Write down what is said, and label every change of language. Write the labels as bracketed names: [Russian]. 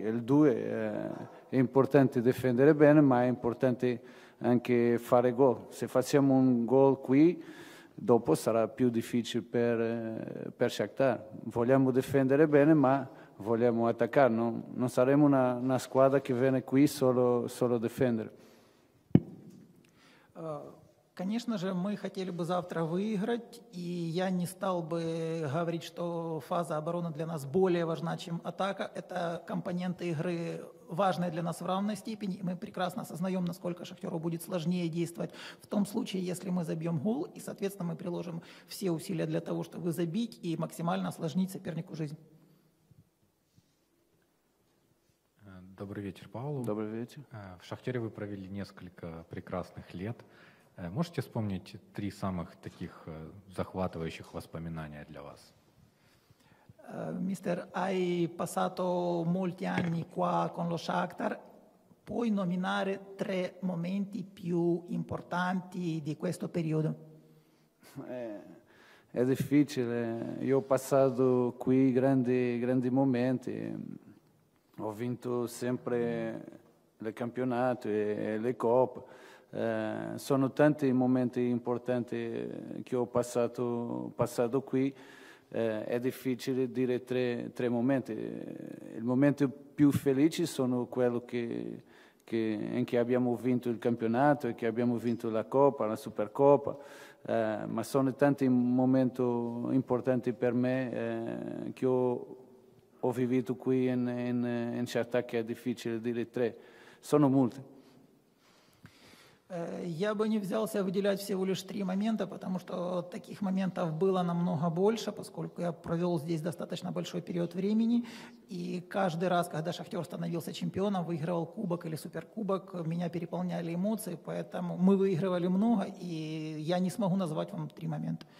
[Italian] Il due è importante difendere bene, ma è importante anche fare gol. Se facciamo un gol qui, dopo sarà più difficile per Shakhtar. Vogliamo difendere bene, ma vogliamo attaccare. Non saremo una squadra che viene qui solo a difendere. [Russian] Конечно же, мы хотели бы завтра выиграть, и я не стал бы говорить, что фаза обороны для нас более важна, чем атака. Это компоненты игры важные для нас в равной степени, и мы прекрасно осознаем, насколько Шахтеру будет сложнее действовать в том случае, если мы забьем гол, и, соответственно, мы приложим все усилия для того, чтобы забить и максимально осложнить сопернику жизнь. Добрый вечер, Паулу. Добрый вечер. В Шахтере вы провели несколько прекрасных лет. Можете вспомнить три самых таких захватывающих воспоминания для вас? [Italian] Мистер, hai passato molti anni qua con lo Shakhtar. Puoi nominare tre momenti più importanti di questo periodo? È difficile. Io ho passato qui grandi momenti. Ho vinto sempre le campionato e le coppe. Sono tanti i momenti importanti che ho passato qui. È difficile dire tre momenti. Il momento più felice sono quello in cui abbiamo vinto il campionato e che abbiamo vinto la Coppa, la Supercoppa. Ma sono tanti momenti importanti per me che ho vissuto qui in Shakhtar, che è difficile dire tre. Sono molti. [Russian] Я бы не взялся выделять всего лишь три момента, потому что таких моментов было намного больше, поскольку я провел здесь достаточно большой период времени, и каждый раз, когда Шахтер становился чемпионом, выигрывал кубок или суперкубок, меня переполняли эмоции, поэтому мы выигрывали много, и я не смогу назвать вам три момента.